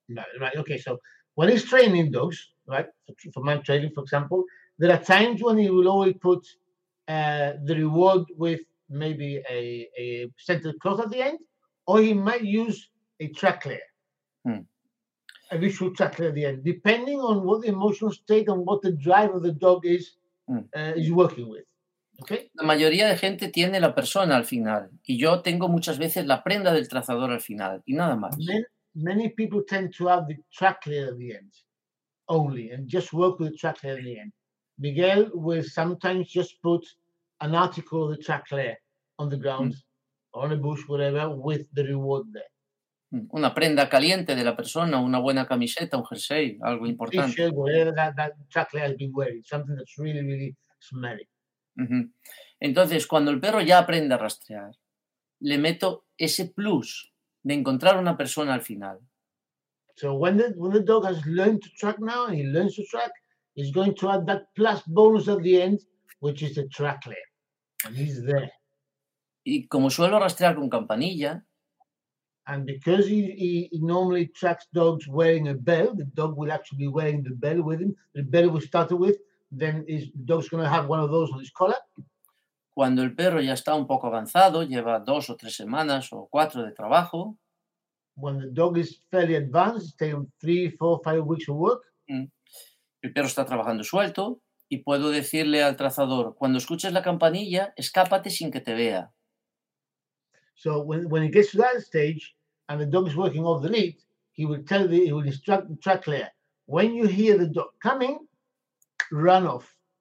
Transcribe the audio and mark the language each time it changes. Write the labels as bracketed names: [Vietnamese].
[English] Right, okay, so when he's training dogs, right, for man training, for example, there are times when he will always put the reward with maybe a scented cloth at the end, or he might use a tracker, a visual tracker at the end, depending on what the emotional state and what the drive of the dog is working with. Okay. [Spanish] La mayoría de gente tiene la persona al final y yo tengo muchas veces la prenda del trazador al final y nada más. [English] Many people tend to have the tracker at the end only and just work with the tracker at the end. Miguel will sometimes just put an article of the tracker on the ground or on a bush, whatever, with the reward there. [Spanish] Una prenda caliente de la persona, una buena camiseta, un jersey, algo importante. [English] T-shirt, whatever that tracker has been wearing, something that's really, really smelly. [Spanish] Entonces, cuando el perro ya aprende a rastrear, le meto ese plus de encontrar una persona al final. [English] So when the dog has learned to track now and he learns to track, he's going to add that plus bonus at the end, which is the tracker, and he's there. [Spanish] Y como suelo rastrear con campanilla, [English] and because he normally tracks dogs wearing a bell, the dog will actually be wearing the bell with him. The bell will start with. Then his dog's going to have one of those on his collar. [Spanish] Cuando el perro ya está un poco avanzado, lleva dos o tres semanas o cuatro de trabajo. [English] When the dog is fairly advanced, it's taken 3, 4, 5 weeks of work. [Spanish] El perro está trabajando suelto y puedo decirle al trazador, cuando escuches la campanilla, escápate sin que te vea. [English] So when it gets to that stage and the dog is working off the lead, he will instruct the track layer. When you hear the dog coming, run off.